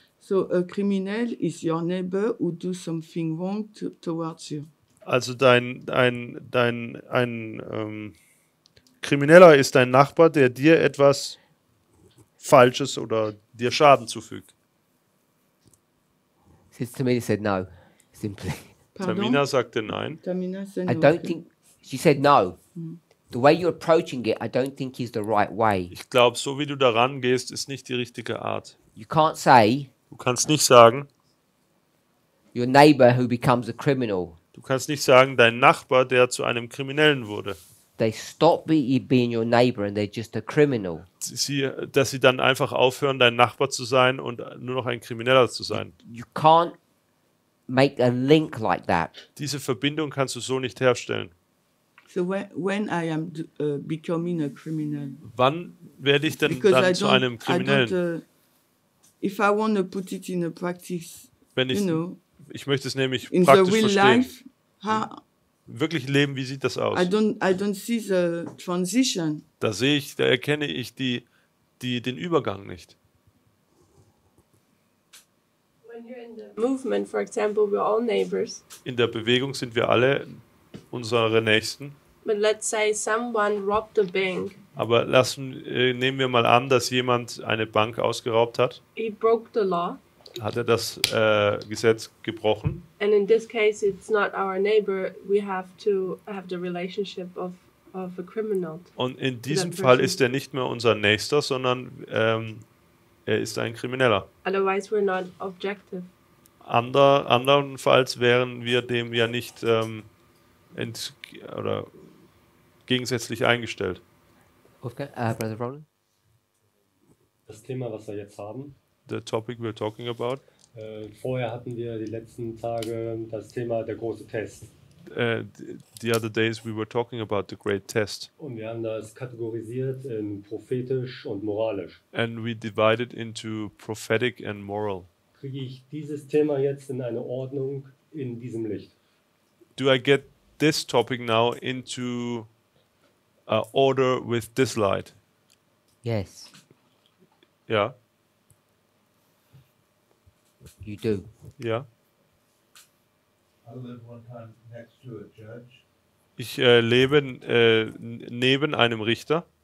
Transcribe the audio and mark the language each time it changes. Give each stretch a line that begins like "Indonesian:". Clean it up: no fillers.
English: So a criminal is your neighbor who do something wrong towards you.
German: Also ein Krimineller ist dein Nachbar, der dir etwas Falsches oder dir Schaden zufügt.
English: Since Tamina said no, simply.
German: Pardon? Tamina sagte nein.
English: Tamina said no. I don't think she said no. The way you're approaching it, I don't think is the right way.
German: Ich glaube, so wie du daran gehst, ist nicht die richtige Art.
English: You can't say.
German: Du kannst nicht sagen.
English: Your neighbor who becomes a criminal.
German: Du kannst nicht sagen, dein Nachbar, der zu einem Kriminellen wurde.
English: They stop being your neighbor and they're just a criminal.
German: Dass sie dann einfach aufhören, dein Nachbar zu sein und nur noch ein Krimineller zu sein.
English: You can't make a link like that.
German: Diese Verbindung kannst du so nicht herstellen.
English: So when I am becoming a criminal.
German: Wann werde ich denn dann zu einem Kriminellen?
English: If I want to put it in a practice,
German: wenn ich,
English: you know,
German: ich möchte es nämlich praktisch
English: in the real
German: verstehen.
English: Life,
German: wirklich leben, wie sieht das aus?
English: I don't see the transition.
German: Da erkenne ich den Übergang nicht.
English: When you're in the movement, for example, we're all neighbors.
German: In der Bewegung sind wir alle unsere Nächsten.
English: But let's say someone robbed a bank.
German: Aber nehmen wir mal an, dass jemand eine Bank ausgeraubt hat.
English: He broke the law.
German: Hat er das Gesetz gebrochen?
English: And in this case, it's not our neighbor. We have to have the relationship of a criminal.
German: Und in diesem Fall ist er nicht mehr unser Nächster, sondern er ist ein Krimineller.
English: Otherwise, we're not objective.
German: Andernfalls wären wir dem ja nicht oder gegensätzlich eingestellt.
English: Brother Roland.
German: Das Thema, was wir jetzt haben.
English: The topic we're talking about.
German: Vorher hatten wir die letzten Tage das Thema der große Test.
English: The other days we were talking about the great test.
German: Und wir haben das kategorisiert in prophetisch und moralisch.
English: And we divided into prophetic and moral.
German: Kriege ich dieses Thema jetzt in eine Ordnung in diesem Licht?
English: Do I get this topic now into order with this light? Yes. Yeah. You do. Yeah. I live one time next to a judge.
German: Ich lebe neben einem Richter.